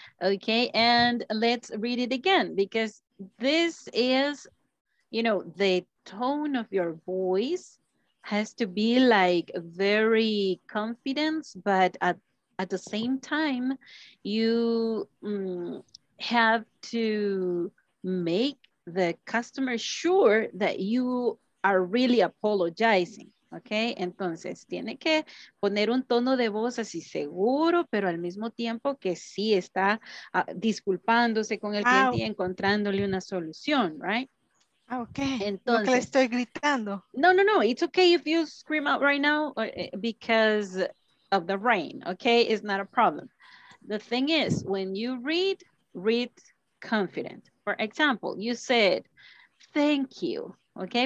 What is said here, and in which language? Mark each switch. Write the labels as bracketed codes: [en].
[en] Okay, and let's read it again, because this is, you know, the tone of your voice has to be like very confident, but at the same time, you have to make the customer sure that you are really apologizing, okay? [es] Entonces, tiene que poner un tono de voz así seguro, pero al mismo tiempo que sí está disculpándose con el cliente y encontrándole una solución, right? Okay, entonces, le estoy gritando. [en] No, it's okay if you scream out right now because of the rain, okay? It's not a problem. The thing is, when you read confident. For example, you said, thank you, okay?